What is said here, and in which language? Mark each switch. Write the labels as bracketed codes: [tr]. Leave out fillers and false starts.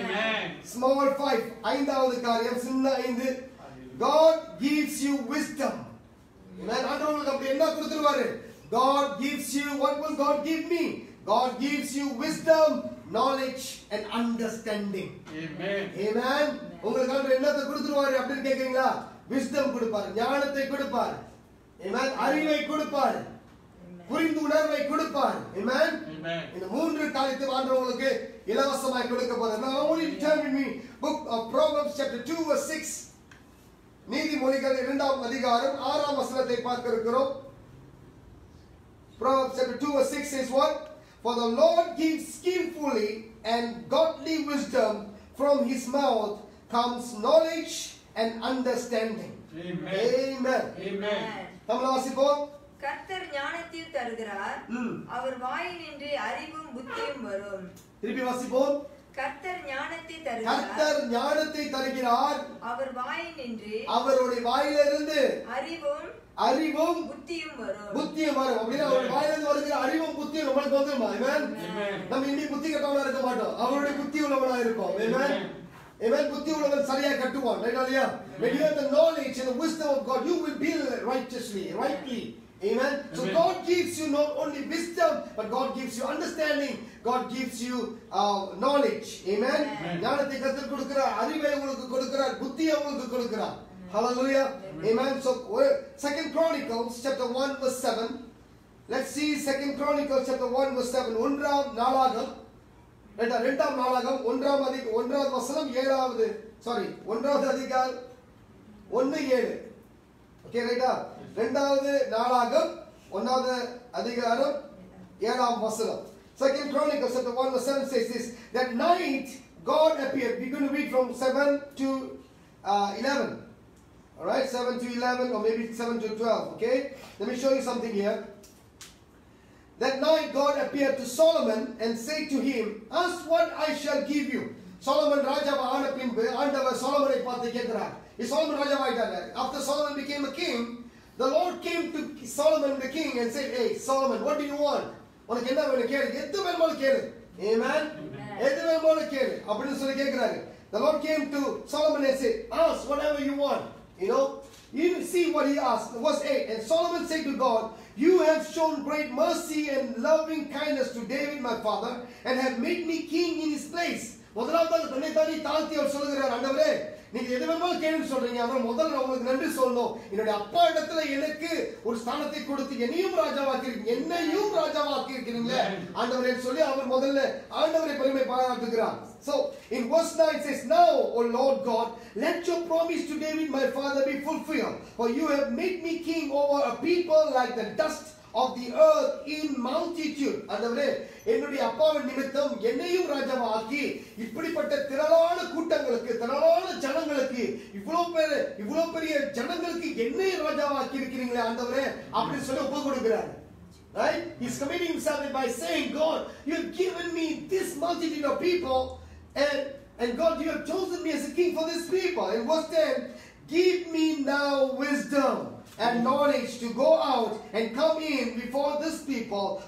[ta] ஐந்தாவது காரியம், சின்ன ஐந்து, [en] God gives you wisdom. [ta] என்ன கொடுத்துருவாரு? [en] God gives you, what will God give me? God gives you wisdom, knowledge and understanding. Amen. Amen. [ta] உங்களுக்கு அவர் என்னத்தை கொடுத்துருவாரு அப்படின்னு கேக்குறீங்களா? விஸ்டம் கொடுப்பார், ஞானத்தை கொடுப்பார், அறிவை கொடுப்பார், புரிந்து உணர்வை கொடுப்பார். Amen. இந்த மூன்று காலத்து வாழ்றவங்களுக்கு இலவசமாக கொடுக்க போறேன். நீதிமொழிகள் இரண்டாம் அதிகாரம் ஆறாம் வசனத்தை பார்க்கிறோம். [en] Proverbs chapter 2 verse 6 says what? For the Lord gives skillfully and godly wisdom, from his mouth comes knowledge and understanding. Amen. [ta] Amen. நம்ம வாசிப்போம். கர்த்தர் ஞானத்தை தருகிறார், அவர் வாயில் நின்று அறிவும் புத்தியும் வரும். திருப்பி வாசிப்போம். கர்த்தர் ஞானத்தை தருகிறார், அவர் வாயில் நின்று அவருடைய வாயில இருந்து அறிவும் அறிவும் புத்தியும் வரும். புத்தியும் வரும் அப்படின்னா அவருடைய வாயில இருந்து வருகிற அறிவும் புத்தியும் நம்மளுக்கு வந்துருமா? நம்ம இன்னும் புத்தி கட்டவளா இருக்க மாட்டோம், அவருடைய புத்தி உள்ளவளா இருப்போம். புத்தி உள்ளவன் சரியா கட்டுவான். Amen. So Amen. [en] God gives you not only wisdom, but God gives you understanding. God gives you knowledge. Amen. [ta] ஞானத்தை கர்த்தர் கொடுக்கிறார், அறிவை உங்களுக்கு கொடுக்கிறார், புத்தியை உங்களுக்கு கொடுக்கிறார். [en] Hallelujah. Amen. Amen. So Second Chronicles chapter 1 verse 7. Let's see Second Chronicles chapter 1 verse 7. [ta] ஒன்றாம் நாளாகம், இரண்டாம் நாளாகம் ஒன்றாம் அதிகாரம் ஒன்றாவது வசனம் ஏழாவது, சாரி ஒன்றாவது அதிகாரம் 1:7. Okay, ரைட்டா? இரண்டாவது நாளாகம் ஒன்றாவது அதிகாரம் ஏழாம் வசனம். [en] Second Chronicles chapter 1 verse 7 says this, that night God appeared. We're going to read from 7 to 11. All right, 7 to 11 or maybe 7 to 12. Okay, let me show you something here. That night God appeared to Solomon and said to him, ask what I shall give you. [ta] Solomon ராஜாவ ஆன பின்பு ஆண்டவர் சோலமனை பார்த்து கேட்கிறார். Solomon ராஜாவ ஆயிட்டார். [en] After Solomon became a king, the Lord came to Solomon the king and said, hey Solomon, what do you want? [ta] உனக்கு என்ன வேணும் கேளு, எது வேணுமோ கேளு. Amen. எது வேணுமோ கேளு அப்படினு சொல்லி கேக்குறாரு. [en] The Lord came to Solomon and said, ask whatever you want. You know, you see what he asked. Verse 8, and Solomon said to God, you have shown great mercy and loving kindness to David my father and have made me king in his place. [ta] முதலாவது தன்னை தானே தாழ்த்தி அவர் சொல்லுகிறார், ஆண்டவரே நீங்க எது வேணாலும் கேளுங்க சொல்றீங்க, அவர் முதல்ல உங்களுக்கு நன்றி சொல்லணும், என்னுடைய அப்பா இடத்துல எனக்கு ஒரு ஸ்தானத்தை கொடுத்து என்னையும் ராஜாவாக்கிறீங்க, என்னையும் ராஜாவாக்கிறீங்க ஆண்டவரே சொல்லி அவர் முதல்ல ஆண்டவரை பெருமை பாராட்டுகிறார். [en] So in verse 9 it says, Now, O Lord God, let your promise to David my father be fulfilled. For you have made me king over a people like the dust of the earth in multitude. [ta] அதாவது என்னுடைய அப்பாவின் நிமித்தம் என்னையும் ராஜாவாக்கி இப்படிப்பட்ட திரளான கூட்டங்களுக்கு திரளான ஜனங்களுக்கு இவ்வளவு பெரிய ஜனங்களுக்கு என்னையும் ராஜாவாக்கி இருக்கிறீங்களே ஆண்டவரே அப்படின்னு சொல்லி ஒப்பு கொடுக்கிறார். [en] Right? He's committing himself by saying, God, you've given me this multitude of people and God, you have chosen me as a king for this people. In verse 10, give me now wisdom and knowledge to go out and come in before this people.